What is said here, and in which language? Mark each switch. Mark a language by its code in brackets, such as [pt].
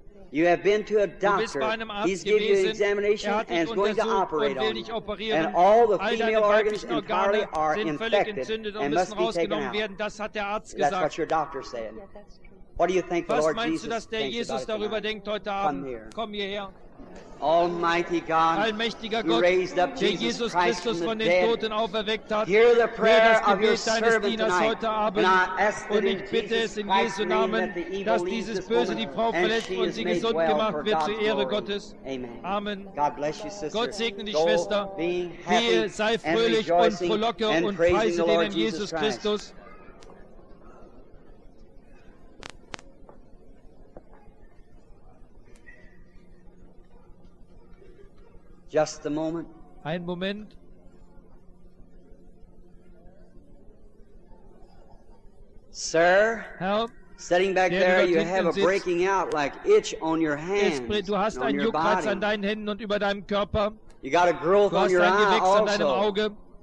[en] You have been to a doctor. He's given you an examination and is going to operate on you. And all the female organs entirely are infected and must be taken out. That's what your doctor said. What do you think the Lord Jesus thinks about it tonight? Come here. Almighty God, [de] allmächtiger Gott, der Jesus Christus von den Toten auferweckt hat, [en] hear the prayer of your servant [de] heute Abend. Und ich bitte es in Jesu Namen, dass dieses Böse die Frau verlässt und sie gesund gemacht wird zur Ehre Gottes. Amen. Gott segne die Schwester. Gehe, sei fröhlich und frohlocke und preise den Herrn Jesus Christus. [en] Just a moment. [de] Ein Moment. [en] Sir, help. Sitting back there, you have a breaking out like itch on your hands. [de] Du hast einen Juckreiz an deinen Händen und über deinem Körper. [en] You got a growth on your eye also.